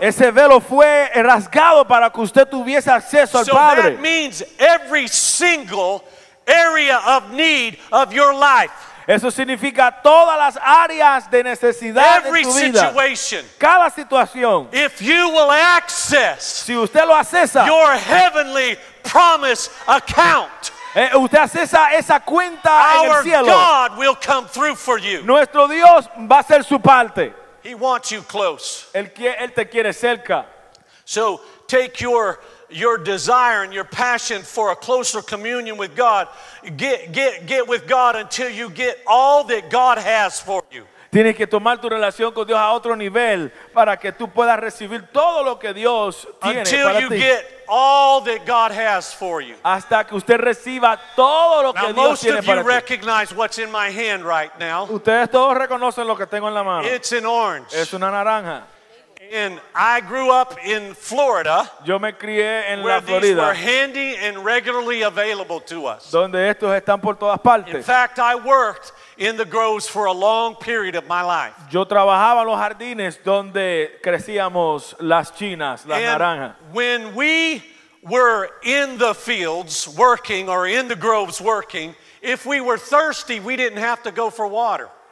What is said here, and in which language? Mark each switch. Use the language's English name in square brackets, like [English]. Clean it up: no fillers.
[Spanish] Ese velo fue rasgado para que usted tuviese acceso al Padre. [English] So that means every single area of need of your life. [Spanish] Eso significa todas las áreas de necesidad de tu vida. [English] Every situation. [Spanish] Cada situación. [English] If you will access. [Spanish] Si usted lo accesa. [English] Your heavenly promise account. [Spanish] Usted accesa esa cuenta [English] Our [Spanish] en el cielo. [English] God will come through for you. [Spanish] Nuestro Dios va a ser su parte. [English] He wants you close. [Spanish] Él te quiere cerca. [English] So take your desire and your passion for a closer communion with God. Get with God until you get all that God has for you. [Spanish] Tienes que tomar tu relación con Dios a otro nivel para que tú puedas recibir todo lo que Dios tiene [English] Until [Spanish] para ti. [English] You get all that God has for you. [Spanish] Hasta que usted reciba todo lo [English] now, [Spanish] que Dios tiene para ti. [English] Most of you recognize what's in my hand right now. [Spanish] Ustedes todos reconocen lo que tengo en la mano. [English] It's an orange. [Spanish] Es una naranja. [English] And I grew up in Florida. [Spanish] Yo me crié en la Florida. [English] Where these were handy and regularly available to us. [Spanish] Donde estos están por todas partes. [English] In fact, I worked in the groves for a long period of my life. [Spanish] Yo trabajaba en los jardines donde crecíamos las chinas, las naranjas. [English] When we were in the fields working or in the groves working, if we were thirsty, we didn't have to go for water.